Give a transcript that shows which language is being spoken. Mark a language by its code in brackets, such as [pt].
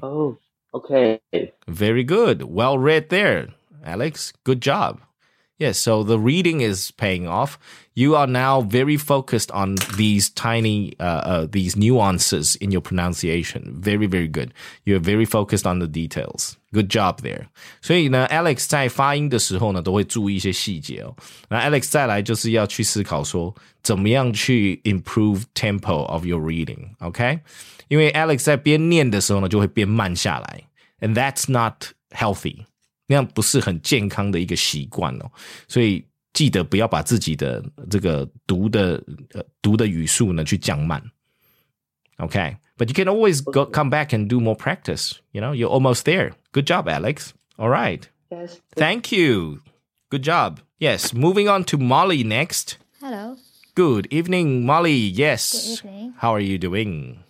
[en] Oh, okay. Very good, well read there. Alex, good job. Yeah, so the reading is paying off. You are now very focused on these tiny, these nuances in your pronunciation. Very, very good. You're very focused on the details. Good job there. [zh] 所以呢 ,Alex 在发音的时候呢都会注意一些细节哦。那 Alex 再来就是要去思考说怎么样去 [en] improve tempo of your reading, okay? [zh] 因为 Alex 在边念的时候呢就会边慢下来。 [en] And that's not healthy. [zh] 那样不是很健康的一个习惯哦，所以记得不要把自己的这个读的语速呢去降慢。 [en] Okay, but you can always go, come back and do more practice. You know, you're almost there. Good job, Alex. All right. Yes. Thank you. Good job. Yes. Moving on to Molly next. Hello. Good evening, Molly. Yes. Good evening. How are you doing?